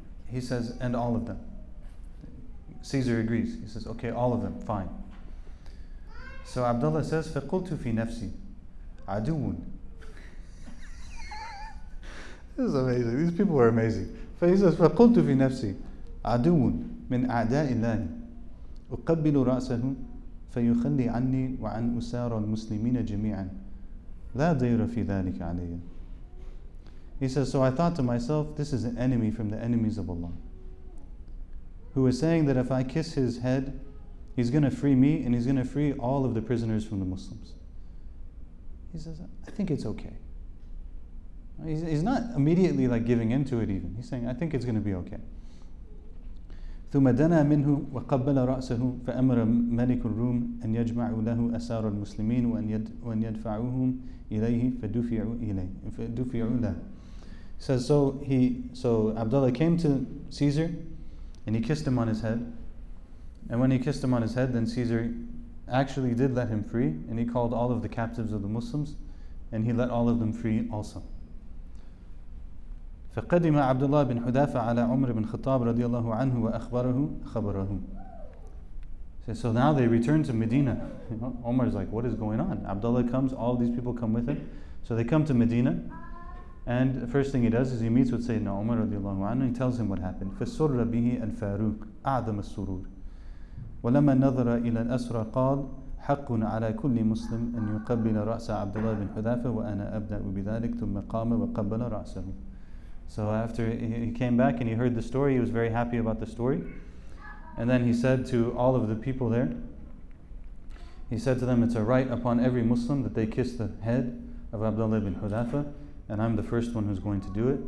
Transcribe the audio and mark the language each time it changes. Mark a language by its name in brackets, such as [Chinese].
[English] He says, and all of them. Caesar agrees. He says, okay, all of them, fine. So Abdullah says, [Arabic] فَقُلْتُ فِي نَفْسِي عَدُوٌ. [English] This is amazing. These people were amazing. He says, [Arabic] فَقُلْتُ فِي نَفْسِي عَدُوٌ مِنْ أَعْدَاءِ اللَّهِ أُقَبِّلُ رَأْسَهُ فَيُخَلِّي عَنِّي وَعَنْ أُسَارَ الْمُسْلِمِينَ جَمِيعًا لَا دَيْرَ فِي ذَلِكَ عَلَيَّ. [English] He says, so I thought to myself, this is an enemy from the enemies of Allah, who is saying that if I kiss his head, he's going to free me and he's going to free all of the prisoners from the Muslims. He says, I think it's okay. He's not immediately like giving into it even. He's saying, I think it's going to be okay. [Arabic] ثم دنا منه وقبل رأسه فأمر ملك الروم أن يجمع له أسار المسلمين وأن يدفعوهم إليه فدفعوا له. [English] Says so Abdullah came to Caesar and he kissed him on his head, and when he kissed him on his head, then Caesar actually did let him free, and he called all of the captives of the Muslims and he let all of them free also. [Arabic] فقدم عبد الله بن حذافة على عمر بن خطاب رضي الله عنه وأخبره خبره. [English] So now they return to Medina. Umar is like, what is going on? Abdullah comes, all these people come with him. So they come to Medina, and the first thing he does is he meets with Sayyidina Umar [Arabic] رضي الله عنه, [English] and he tells him what happened. [Arabic] فسر به الفاروق أعظم السرور ولما نظر إلى الأسرى قال حق على كل مسلم أن يقبل رأس عبد الله بن حذافة وأنا أبدأ بذلك ثم قام وقبل رأسه. [English] So after he came back and he heard the story, he was very happy about the story. And then he said to all of the people there, he said to them, it's a right upon every Muslim that they kiss the head of Abdullah ibn Hudhafa, and I'm the first one who's going to do it.